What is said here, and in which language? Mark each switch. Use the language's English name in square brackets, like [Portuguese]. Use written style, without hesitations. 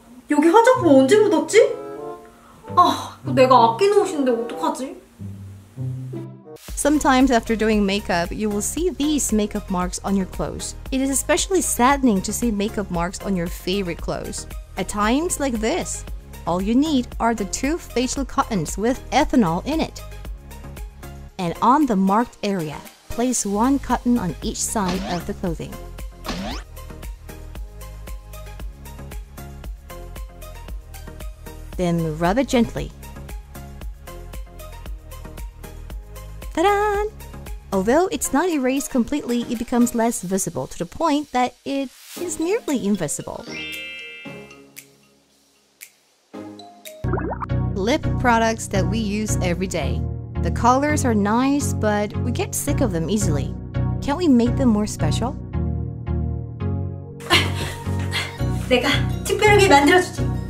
[Korean] 여기 화장품 언제 묻었지? 아, 이거 내가 아끼는 옷인데 어떡하지? [English] Sometimes after doing makeup, you will see these makeup marks on your clothes. It is especially saddening to see makeup marks on your favorite clothes. At times like this, all you need are the 2 facial cottons with ethanol in it. And on the marked area, place 1 cotton on each side of the clothing. Then rub it gently. Ta-da! Although it's not erased completely, it becomes less visible to the point that it is nearly invisible. Lip products that we use every day. The colors are nice, but we get sick of them easily. Can't we make them more special? [Korean] 내가 특별하게 만들어주지.